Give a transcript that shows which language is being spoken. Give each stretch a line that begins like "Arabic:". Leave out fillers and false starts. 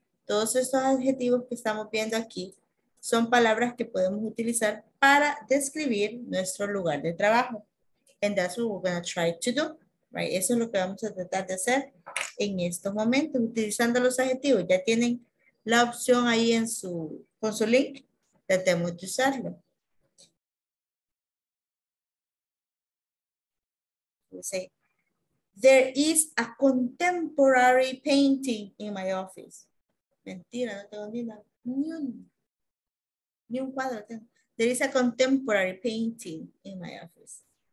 Spanish: Todos estos adjetivos que estamos viendo aquí son palabras que podemos utilizar para describir nuestro lugar de trabajo.
English: And that's what we're going to try to do, right?
Spanish: Eso es lo que vamos a tratar de hacer en estos momentos, utilizando los adjetivos. Ya tienen la opción ahí en su, con su link, tratemos de usarlo.
English: Say, there is a contemporary painting in my office.
Spanish: Mentira, no tengo ni un cuadro.
English: There is a contemporary painting in my office.